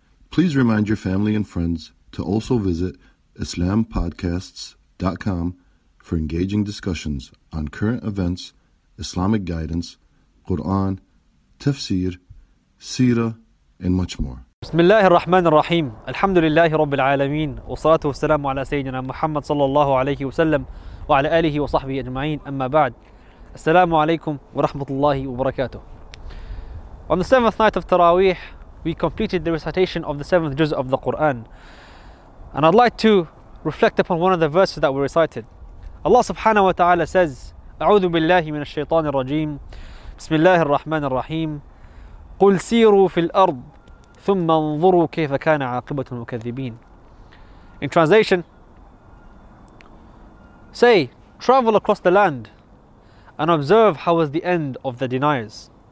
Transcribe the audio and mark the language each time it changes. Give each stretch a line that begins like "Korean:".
English: Please remind your family and friends to also visit IslamPodcasts.com for engaging discussions on current events, Islamic guidance, Quran, tafsir, seerah, and much more.
Arabic: بسم الله الرحمن الرحيم الحمد لله رب العالمين والصلاة والسلام على سيدنا محمد صلى الله عليه وسلم وعلى آله وصحبه أجمعين أما بعد السلام عليكم ورحمة الله وبركاته.
English: On the seventh night of Taraweeh, we completed the recitation of the seventh juz of the Quran. And I'd like to reflect upon one of the verses that we recited. Allah subhanahu wa ta'ala says,
Arabic: أعوذ بالله من الشيطان الرجيم بسم الله الرحمن الرحيم قل سيروا في الأرض ثُمَّ انظُرُوا كَيْفَ كَانَ عَاقِبَةُ الْمُكَذِّبِينَ.
English: In translation, say, travel across the land and observe how was the end of the deniers.